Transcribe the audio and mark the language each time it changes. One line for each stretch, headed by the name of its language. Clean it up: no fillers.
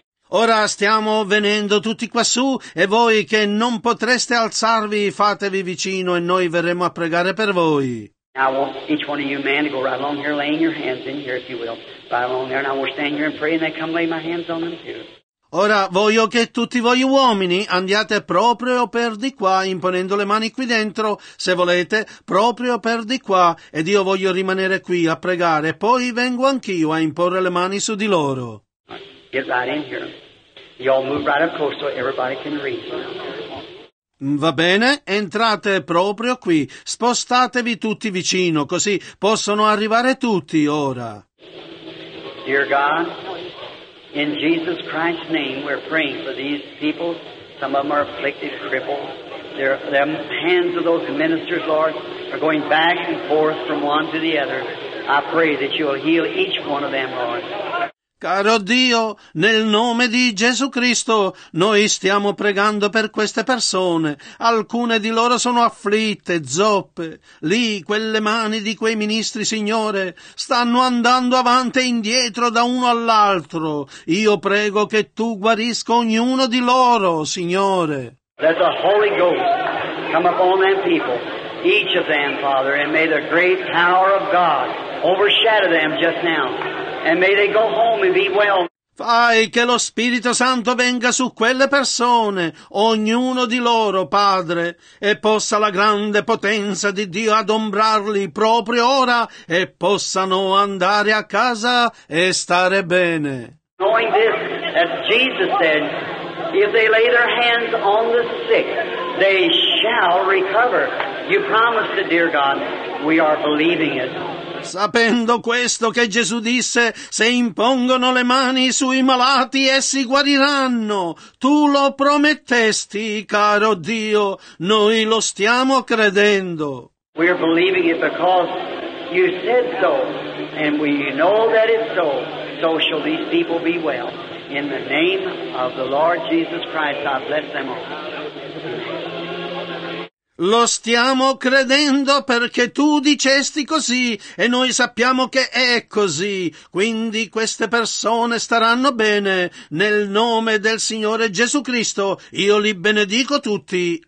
Italian: Ora stiamo venendo tutti quassù e voi che non potreste alzarvi, fatevi vicino e noi verremo a pregare per voi.
English: I want each one of you men to go right along here laying your hands in here, if you will. Right along there, and I will stand here and pray, and they come lay my hands on them too.
Italian: Ora voglio che tutti voi uomini andiate proprio per di qua, imponendo le mani qui dentro, se volete, proprio per di qua, ed io voglio rimanere qui a pregare, poi vengo anch'io a imporre le mani su di loro.
English: Get right in here. You all move right up close so everybody can read.
Italian: Va bene, entrate proprio qui, spostatevi tutti vicino, così possono arrivare tutti ora.
English: Dear God, in Jesus Christ's name, we're praying for these people. Some of them are afflicted, crippled. The hands of those ministers, Lord, are going back and forth from one to the other. I pray that you'll heal each one of them, Lord.
Italian: Caro Dio, nel nome di Gesù Cristo, noi stiamo pregando per queste persone. Alcune di loro sono afflitte, zoppe. Lì, quelle mani di quei ministri, Signore, stanno andando avanti e indietro da uno all'altro. Io prego che tu guarisca ognuno di loro, Signore.
English: Let the Holy Ghost come upon them people, each of them, Father, and may the great power of God overshadow them just now. And may they go home and be well.
Italian: Fai che lo Spirito Santo venga su quelle persone, ognuno di loro, Padre, e possa la grande potenza di Dio adombrarli proprio ora e possano andare a casa e stare bene.
English: Knowing this, as Jesus said, if they lay their hands on the sick, they shall recover. You promised it, dear God. We are believing it.
Italian: Sapendo questo che Gesù disse, se impongono le mani sui malati, essi guariranno. Tu lo promettesti, caro Dio, noi lo stiamo credendo.
English: We are believing it because you said so, and we know that it's so. So shall these people be well. In the name of the Lord Jesus Christ, I bless them all.
Italian: Lo stiamo credendo perché tu dicesti così e noi sappiamo che è così. Quindi queste persone staranno bene. Nel nome del Signore Gesù Cristo io li benedico tutti.